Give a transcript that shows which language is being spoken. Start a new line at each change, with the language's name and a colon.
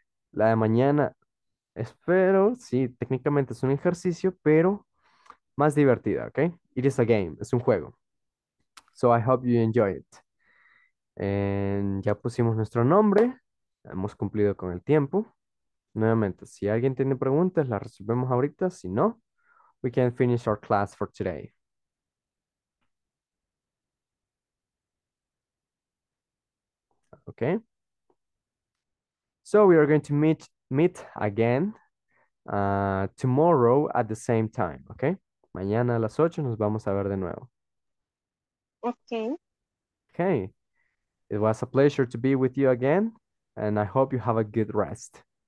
Spanish: La de mañana, espero, sí, técnicamente es un ejercicio, pero más divertida, ¿ok?
English: It is a game,
Spanish: es un juego.
English: So I hope you enjoy it.
Spanish: And ya pusimos nuestro nombre, hemos cumplido con el tiempo. Nuevamente, si alguien tiene preguntas, las resolvemos ahorita. Si no,
English: we can finish our class for today. Okay. So we are going to meet again tomorrow at the same time. Okay.
Spanish: Mañana a las 8 nos vamos a ver de nuevo.
English: Okay. Okay. It was a pleasure to be with you again, and I hope you have a good rest.